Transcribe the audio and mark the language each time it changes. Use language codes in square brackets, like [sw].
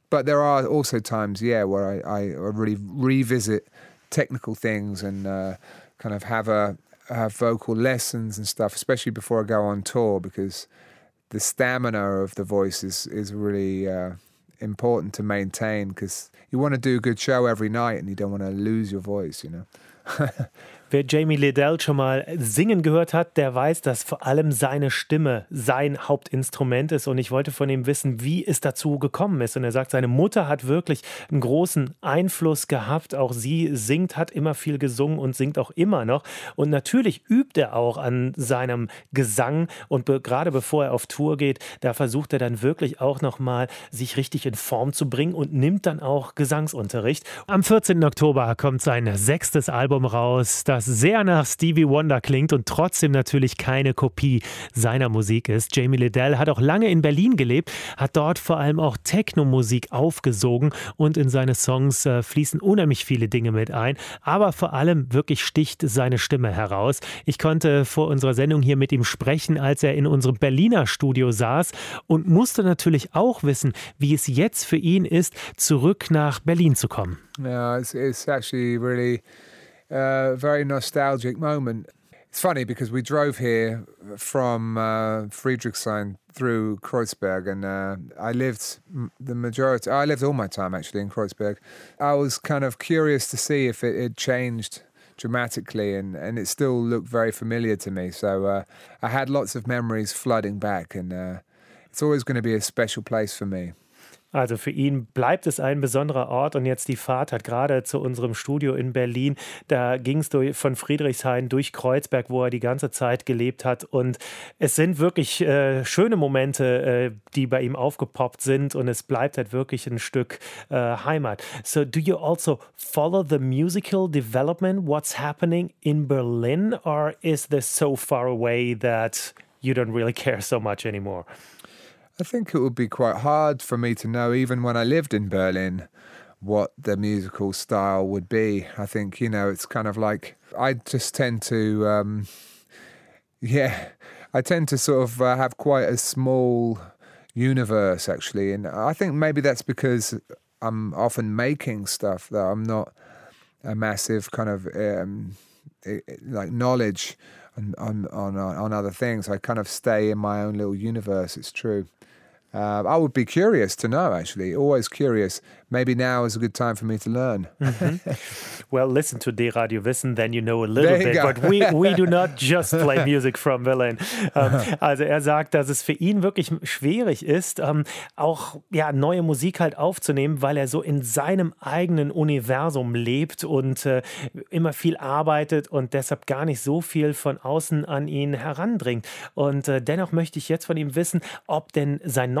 [en] But there are also times, yeah, where I really revisit technical things and kind of have vocal lessons and stuff, especially before I go on tour, because the stamina of the voice is really important to maintain, because you want to do a good show every night and you don't want to lose your voice, you know. [de] Wer Jamie Liddell schon mal singen gehört hat, der weiß, dass vor allem seine Stimme sein Hauptinstrument ist. Und ich wollte von ihm wissen, wie es dazu gekommen ist. Und er sagt, seine Mutter hat wirklich einen großen Einfluss gehabt. Auch sie singt, hat immer viel gesungen und singt auch immer noch. Und natürlich übt er auch an seinem Gesang. Und gerade bevor er auf Tour geht, da versucht er dann wirklich auch nochmal, sich richtig in Form zu bringen und nimmt dann auch Gesangsunterricht. Am 14. Oktober kommt sein 6. Album raus, das sehr nach Stevie Wonder klingt und trotzdem natürlich keine Kopie seiner Musik ist. Jamie Liddell hat auch lange in Berlin gelebt, hat dort vor allem auch Techno-Musik aufgesogen und in seine Songs fließen unheimlich viele Dinge mit ein, aber vor allem wirklich sticht seine Stimme heraus. Ich konnte vor unserer Sendung hier mit ihm sprechen, als er in unserem Berliner Studio saß, und musste natürlich auch wissen, wie es jetzt für ihn ist, zurück nach Berlin zu kommen. [en] Ja, it's actually really a very nostalgic moment. It's funny because we drove here from Friedrichshain through Kreuzberg, and I lived all my time actually in Kreuzberg. I was kind of curious to see if it had changed dramatically, and it still looked very familiar to me. So I had lots of memories flooding back, and it's always going to be a special place for me. [de] Also für ihn bleibt es ein besonderer Ort, und jetzt die Fahrt hat gerade zu unserem Studio in Berlin, da ging es von Friedrichshain durch Kreuzberg, wo er die ganze Zeit gelebt hat, und es sind wirklich schöne Momente, die bei ihm aufgepoppt sind, und es bleibt halt wirklich ein Stück Heimat. [en] So do you also follow the musical development, what's happening in Berlin, or is this so far away that you don't really care so much anymore? I think it would be quite hard for me to know, even when I lived in Berlin, what the musical style would be. I think, you know, it's kind of like I just tend to, I tend to sort of have quite a small universe, actually. And I think maybe that's because I'm often making stuff, that I'm not a massive kind of like knowledge on other things. I kind of stay in my own little universe, it's true. I would be curious to know, actually, always curious. Maybe now is a good time for me to learn. Mm-hmm. Well, listen to D Radio Wissen, then you know a little bit. Go. But we do not just play music from Berlin. [de] Also er sagt, dass es für ihn wirklich schwierig ist, auch ja, neue Musik halt aufzunehmen, weil er so in seinem eigenen Universum lebt und immer viel arbeitet und deshalb gar nicht so viel von außen an ihn herandringt. Und dennoch möchte ich jetzt von ihm wissen, ob denn sein